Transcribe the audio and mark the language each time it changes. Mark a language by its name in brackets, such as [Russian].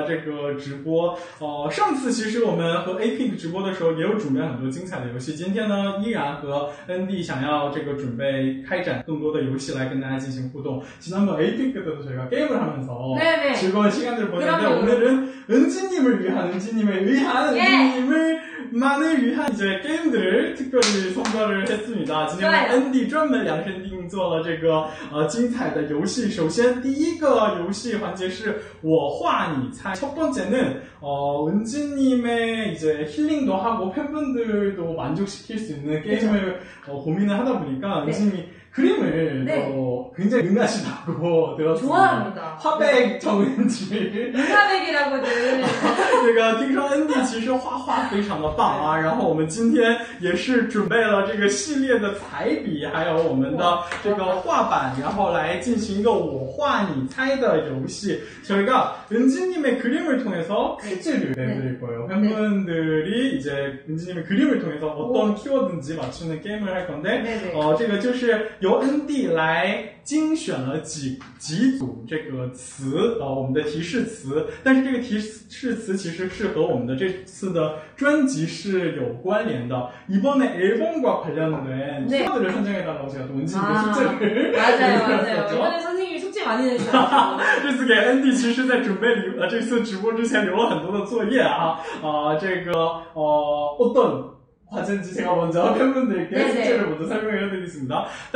[Chinese] 现在已经实时有14万3千位粉丝在和我们进行互动，大家也都期待着我们的这个直播。上次其实我们和 APINK 直播的时候也有准备很多精彩的游戏，今天呢依然和 ND 想要这个准备开展更多的游戏来跟大家进行互动。 [Korean] 지난번 APINK 때도 때도 저희가 게임을 하면서 네네. 즐거운 시간을 보냈는데 그럼요. 오늘은 은지님을 위한 은지님만을 위한 이제 게임들을 특별히 선별을 했습니다. 지금 앤디 [Chinese] 专门 量身定做了这个精彩的游戏. 首先第一个游戏环节是我画你猜. [Korean] 첫 번째는 은지님의 이제 힐링도 하고 팬분들도 만족시킬 수 있는 게임을 고민을 하다 보니까 네. 은지님이 그림을 네. 굉장히 능하시다고 들었습니다. 좋아합니다. 화백 정은지. 화백이라고들. 제가 [Chinese] 听说恩迪 其实画画非常的棒啊然后我们今天也是准备了这个系列的彩笔还有我们的这个画板然后来进行一个我画你猜的游戏 [Korean] 저희가 은지님의 그림을 통해서 퀴즈를 내드릴 거예요. 팬분들이 네. 이제 은지님의 그림을 통해서 어떤 키워드인지 맞추는 게임을 할 건데, [Chinese] 这个就是 由恩蒂来精选了几组这个词，我们的提示词，但是这个提示词其实是和我们的这次的专辑是有关联的。 [Korean] 이번에 앨범과 관련된 키워드를 네. 선정해달라고 제가 또 은지님의 숙제를 맞아요. 이번에 선생님이 숙제 많이 내주셨어요. [Chinese] 这次给 Andy 其实在准备这次直播之前留了很多的作业啊，这个 [Korean] 어떤 화제인지 제가 먼저 팬분들께 숙제를 먼저 설명해 드리겠습니다.